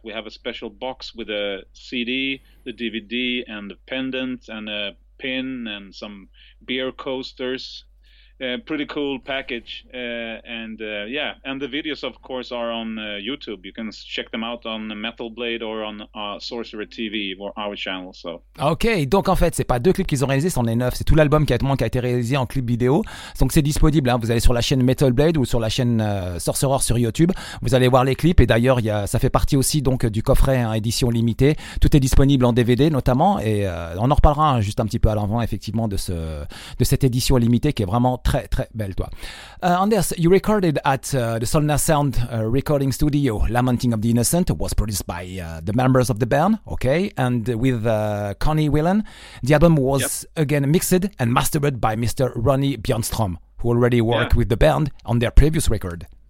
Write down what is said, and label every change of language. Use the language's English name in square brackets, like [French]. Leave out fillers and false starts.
[English] We have a special box with a CD, the DVD, and a pendant, and a pin, and some beer coasters. Pretty cool package. And the videos, of course, are on YouTube. You can check them out on Metal Blade or on Sorcerer TV or our channel. So. [French] Ok, donc en fait, ce n'est pas 2 clips qu'ils ont réalisés, c'en est 9. C'est tout l'album qui a été réalisé en clip vidéo. Donc c'est disponible. Hein. Vous allez sur la chaîne Metal Blade ou sur la chaîne Sorcerer sur YouTube. Vous allez voir les clips. Et d'ailleurs, ça fait partie aussi donc, du coffret hein, édition limitée. Tout est disponible en DVD notamment. Et on en reparlera hein, juste un petit peu à l'avant, effectivement, de cette édition limitée qui est vraiment très très belle toi. [English] Anders, you recorded at the Solna Sound recording studio. Lamenting of the Innocent was produced by the members of the band, okay, and with Connie Whelan. The album was again mixed and mastered by Mr. Ronnie Bjornstrom, who already worked with the band on their previous record.